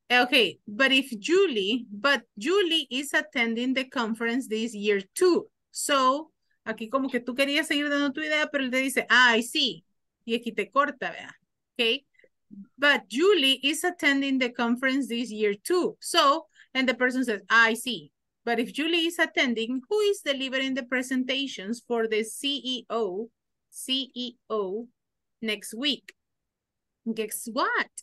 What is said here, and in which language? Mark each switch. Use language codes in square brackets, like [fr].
[en] Okay, but if Julie, but Julie is attending the conference this year too. [es] So, aquí como que tú querías seguir dando tu idea, pero él te dice, ah, [en] I see. [es] Y aquí te corta, vea. [en] Okay, but Julie is attending the conference this year too. So, and the person says, ah, I see. But if Julie is attending, who is delivering the presentations for the CEO next week? Guess what?